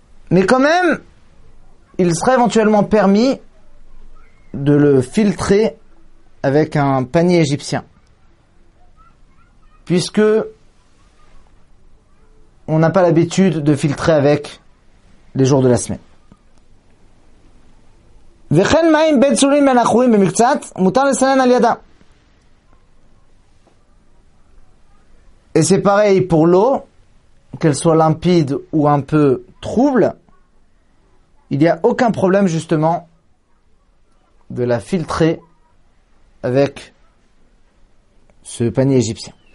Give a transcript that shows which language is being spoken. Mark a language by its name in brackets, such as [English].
[French] mais quand même il serait éventuellement permis de le filtrer avec un panier égyptien, puisque on n'a pas l'habitude de filtrer avec les jours de la semaine. [Hebrew] וכן מים בצורים מנחורים במקצת מותר לסנן על ידה. [French] Et c'est pareil pour l'eau, qu'elle soit limpide ou un peu trouble, il n'y a aucun problème justement de la filtrer avec ce panier égyptien.